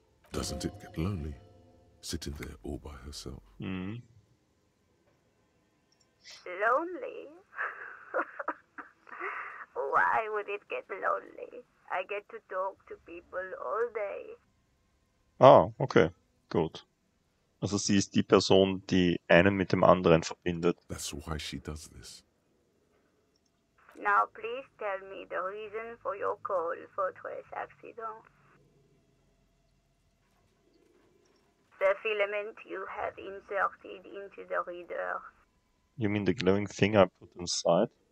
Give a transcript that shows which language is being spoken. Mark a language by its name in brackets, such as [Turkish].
[English] Doesn't it get lonely, sitting there all by herself? Lonely? Why would it get lonely? I get to talk to people all day. [German] Ah, okay, gut. Also sie ist die Person, die einen mit dem anderen verbindet. [English] That's why she does this. Now, please tell me the reason for your call for this accident. The filament you have inserted into the reader. You mean the glowing thing I put inside?